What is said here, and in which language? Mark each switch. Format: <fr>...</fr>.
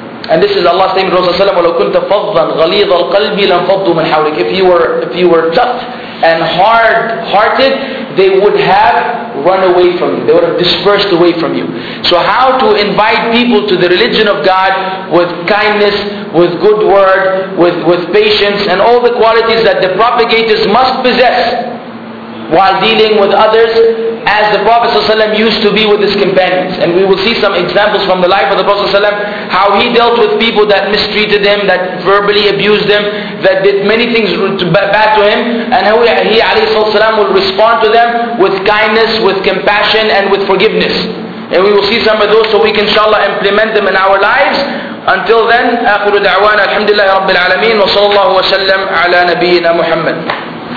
<en>And this is Allah's name,</en> <ar>Rasulullah, وَلَوْ كُنْتَ فَضًّا غَلِيظَ الْقَلْبِ لَنْ فَضُّ مِنْ حَوْلِكَ.</ar> <en>If you were tough and hard-hearted, they would have run away from you. They would have dispersed away from you. So how to invite people to the religion of God with kindness, with good word, with patience, and all the qualities that the propagators must possess while dealing with others, as the Prophet ﷺ used to be with his companions. And we will see some examples from the life of the Prophet ﷺ, how he dealt with people that mistreated him, that verbally abused him, that did many things bad to him, and how he ﷺ would respond to them with kindness, with compassion, and with forgiveness. And we will see some of those, so we can inshallah implement them in our lives. Until then,</en> <ar>أخر دعوانا الحمد لله رب العالمين وصلى الله وسلم على نبينا محمد.</ar>